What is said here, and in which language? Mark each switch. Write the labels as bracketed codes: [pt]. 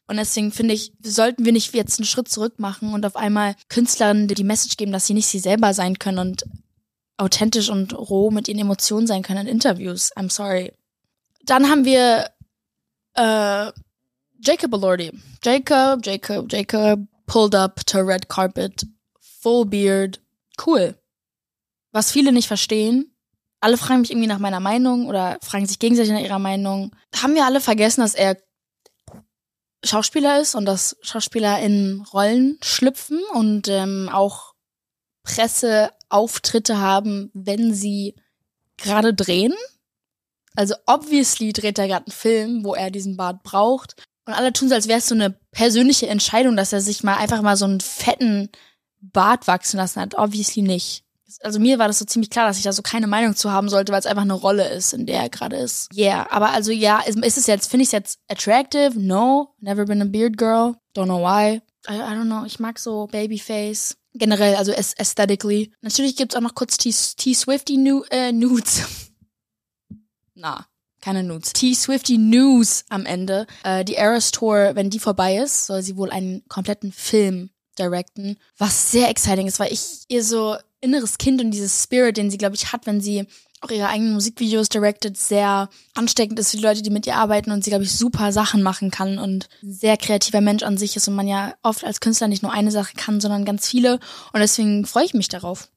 [de] Und deswegen finde ich, sollten wir nicht jetzt einen Schritt zurück machen und auf einmal Künstlerinnen die Message geben, dass sie nicht sie selber sein können und authentisch und roh mit ihren Emotionen sein können in Interviews. [en] I'm sorry. [de] Dann haben wir Jacob Elordi. [en] Jacob, pulled up to red carpet, full beard, cool. [de] Was viele nicht verstehen, alle fragen mich irgendwie nach meiner Meinung oder fragen sich gegenseitig nach ihrer Meinung. Haben wir alle vergessen, dass er Schauspieler ist und dass Schauspieler in Rollen schlüpfen und auch Presseauftritte haben, wenn sie gerade drehen? Also obviously dreht er gerade einen Film, wo er diesen Bart braucht. Und alle tun es, als wäre es so eine persönliche Entscheidung, dass er sich mal einfach mal so einen fetten Bart wachsen lassen hat. Obviously nicht. Also mir war das so ziemlich klar, dass ich da so keine Meinung zu haben sollte, weil es einfach eine Rolle ist, in der er gerade ist. Yeah, aber also ja, ist es jetzt, finde ich es jetzt attractive? [en] No, never been a beard girl. Don't know why. I don't know, [de] ich mag so Babyface. Generell, also aesthetically. Natürlich gibt es auch noch kurz T-Swifty-Nudes. Nah, keine Nudes. T-Swifty-News am Ende. Die Eras Tour, wenn die vorbei ist, soll sie wohl einen kompletten Film directen, was sehr exciting ist, weil ich ihr so inneres Kind und dieses Spirit, den sie, glaube ich, hat, wenn sie auch ihre eigenen Musikvideos directed, sehr ansteckend ist für die Leute, die mit ihr arbeiten und sie, glaube ich, super Sachen machen kann und ein sehr kreativer Mensch an sich ist und man ja oft als Künstler nicht nur eine Sache kann, sondern ganz viele und deswegen freue ich mich darauf.